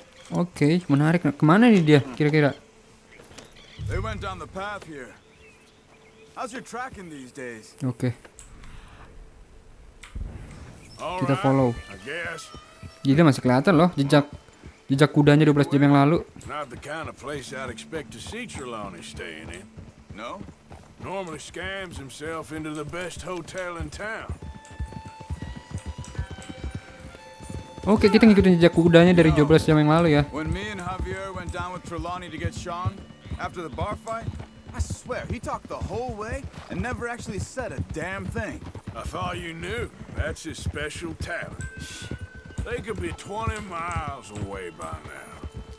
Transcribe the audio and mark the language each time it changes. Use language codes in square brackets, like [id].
[id] Oke, menarik. Kemana ini dia kira-kira? [en] They went down the path here. How's your tracking these days? [id] Oke. Kita [en] follow. I guess. [id] Gila masih kelihatan loh jejak. Jejak kudanya 12 jam yang lalu. [en] Not the kind of place I'd expect to see Trelawney staying in. No? Normally scams himself into the best hotel in town. [id] Oke, kita ngikutin jejak kudanya dari 12 jam yang lalu ya. [en] When me and Javier went down with Trelawney to get Sean, after the bar fight, I swear he talked the whole way and never actually said a damn thing. I thought you knew. That's his special talent. They could be 20 miles away by now.